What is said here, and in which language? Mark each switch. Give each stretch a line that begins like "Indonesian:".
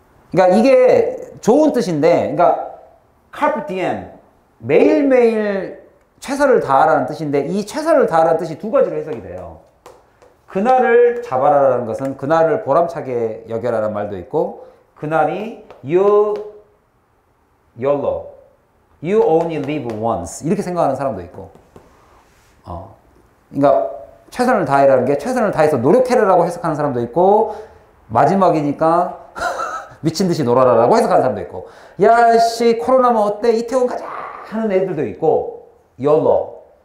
Korean: 그러니까 이게 좋은 뜻인데, 그러니까 Carpe Diem, 매일매일 최선을 다하라는 뜻인데 이 최선을 다하라는 뜻이 두 가지로 해석이 돼요. 그날을 잡아라라는 것은 그날을 보람차게 여겨라는 말도 있고 그날이
English: you YOLO. You only live once.
Korean: 이렇게 생각하는 사람도 있고. 그러니까 최선을 다해라는 게 최선을 다해서 노력해라라고 해석하는 사람도 있고 마지막이니까 미친 듯이 놀아라라고 해석하는 사람도 있고 야씨 코로나면 어때 이태원 가자 하는 애들도 있고 YOLO.